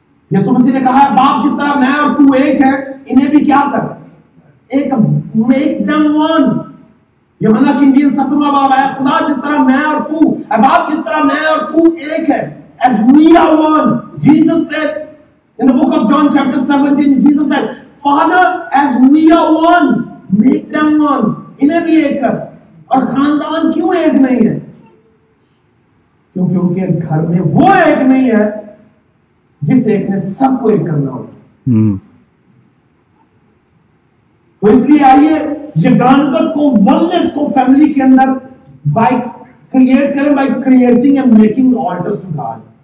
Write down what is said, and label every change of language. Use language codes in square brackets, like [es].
[ur] یسوع مسیح نے کہا باپ جس طرح میں اور تو ایک ہے انہیں بھی کیا کر ایک دم ون. یوحنا کی انجیل 17 باب آیا, خدا جس طرح میں اور تو اے باپ جس طرح میں اور تو ایک ہے, [en] as we are one. Jesus said in the book of John chapter 17, Jesus said Father as we are one make them one, [ur] انہیں بھی ایک کر. اور خاندان کیوں ایک نہیں ہے؟ کیونکہ ان کے گھر میں وہ ایک نہیں ہے جس ایک نے سب کو ایک کرنا ہوگا. تو اس لیے آئیے یگانکت کو, ونس کو فیملی کے اندر بائی کریٹ کریں, [en] By creating and making altars to God.